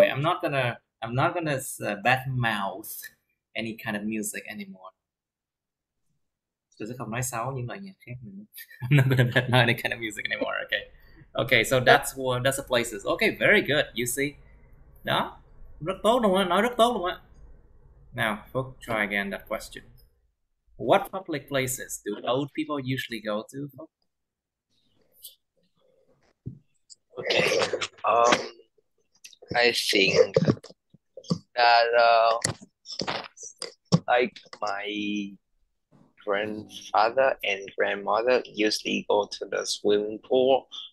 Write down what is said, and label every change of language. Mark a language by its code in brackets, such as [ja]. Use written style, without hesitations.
[en] anyway, I'm not gonna bad mouth any kind of music anymore. [vi] Tôi sẽ không nói xấu những loại nhạc khác nữa. [en] I'm not gonna bad mouth any kind of music anymore. Okay, okay. So that's what that's the places. Okay, very good. You see. [vi] Đó, rất tốt luôn á, nói rất tốt luôn á. [en] Now, we'll try again that question. What public places do old people usually go to? Okay, I think that like my grandfather and grandmother usually go to the swimming pool.